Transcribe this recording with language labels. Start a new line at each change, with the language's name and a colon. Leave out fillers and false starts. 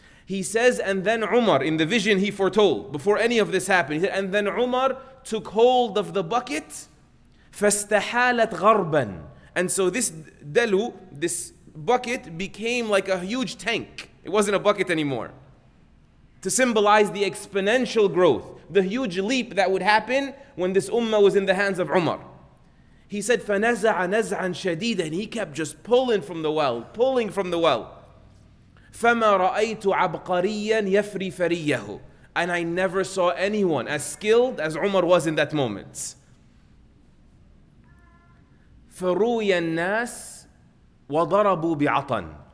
English: He says, and then Umar, in the vision he foretold, before any of this happened, he said, and then Umar took hold of the bucket,
Arabic: فَاسْتَحَالَتْ غَرْبًا.
English: And so this dalu, this bucket, became like a huge tank. It wasn't a bucket anymore. To symbolize the exponential growth, the huge leap that would happen when this ummah was in the hands of Umar. He said,
Arabic: فَنَزَعَ نَزْعًا شَدِيدًا.
English: And he kept just pulling from the well, pulling from the well.
Arabic: فَمَا رَأَيْتُ عَبْقَرِيًّا يَفْرِي فَرِيَّهُ.
English: And I never saw anyone as skilled as Umar was in that moment.
Arabic: فَرُوِيَ النَّاسِ وَضَرَبُوا بِعَطَنْ.